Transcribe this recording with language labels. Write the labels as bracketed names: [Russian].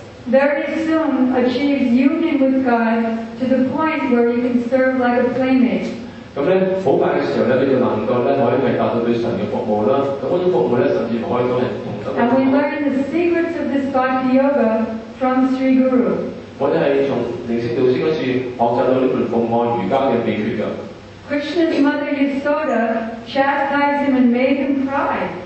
[English] very soon achieves union with God to the point where you can serve like a playmate. [Chinese] 那麼很快的時候,他就能夠為他對神的服務,那種服務甚至可以跟人同等的服務。 [English] And we learn the secrets of this Bhakti Yoga from Sri Guru. [Chinese] 我們是從靈性導師那次學習到這門奉獻瑜伽的秘訣的。 [English] Krishna's mother Yasoda chastised him and made him cry.